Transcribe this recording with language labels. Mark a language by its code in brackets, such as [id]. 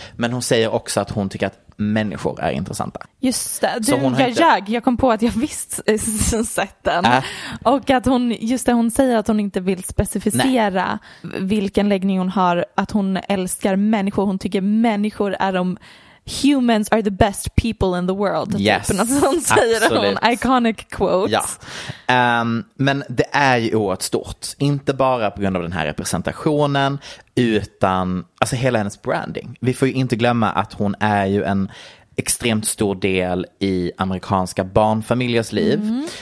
[sv] Men hon säger också att hon tycker att människor är intressanta. Just det. Du, så hon har jag kom på att jag visst sett den. Och att hon, just det, hon säger att hon inte vill specificera vilken läggning hon har. Att hon älskar människor. Hon tycker människor är de... [en] Humans are the best people in the world. Yes, [sv] typ, som säger hon. [en] Iconic quote. [sv] Ja. Men det är ju oerhört stort. Inte bara på grund av den här representationen, utan alltså hela hennes branding. Vi får ju inte glömma att hon är ju en extremt stor del i amerikanska barnfamiljers liv.